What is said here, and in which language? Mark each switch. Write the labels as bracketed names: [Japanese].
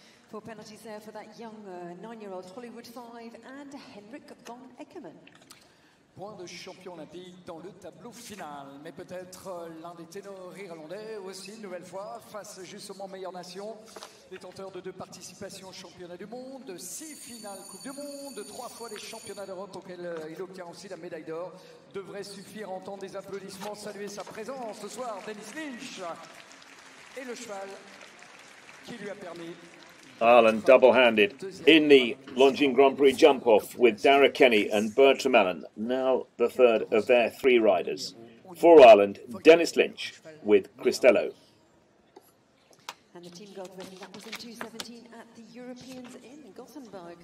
[English] Four penalties there for that young nine-year-old Hollywood 5 and Henrik von Eckermann. [French] Point de champion olympique dans le tableau final, mais peut-être l'un des ténors irlandais aussi, une nouvelle fois, face justement meilleure nation. Détenteur de deux participations au championnat du monde, de six finales Coupe du monde, de trois fois les championnats d'Europe auxquels il obtient aussi la médaille d'or. Devrait suffire à entendre des applaudissements, saluer sa présence ce soir, Dennis Lynch. Et le cheval qui lui a permis... [English] Ireland double-handed in the Longines Grand Prix jump-off with Dara Kenny and Bertram Allen, now the third of their three riders. For Ireland, Dennis Lynch with Cristello. And the team gold ribbon, that was in 2017 at the Europeans in Gothenburg.